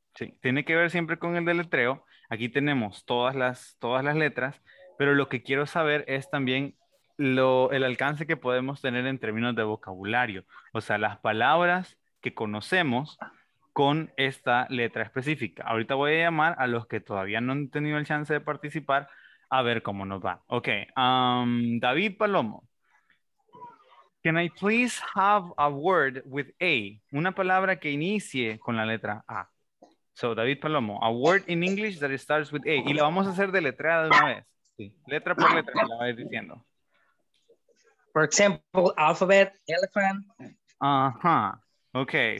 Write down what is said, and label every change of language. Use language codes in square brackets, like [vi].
[es] Sí, tiene que ver siempre con el deletreo. Aquí tenemos todas las letras, pero lo que quiero saber es también el alcance que podemos tener en términos de vocabulario. O sea, las palabras que conocemos con esta letra específica. Ahorita voy a llamar a los que todavía no han tenido el chance de participar a ver cómo nos va. Ok, David Palomo. [en] Can I please have a word with A? [es] Una palabra que inicie con la letra A. [en] So, David Palomo, a word in English that starts with A. [es] Y la vamos a hacer deletreada de una vez. Sí. Letra por letra, la vais diciendo. [en] For example, alphabet, elephant. Ajá. Okay,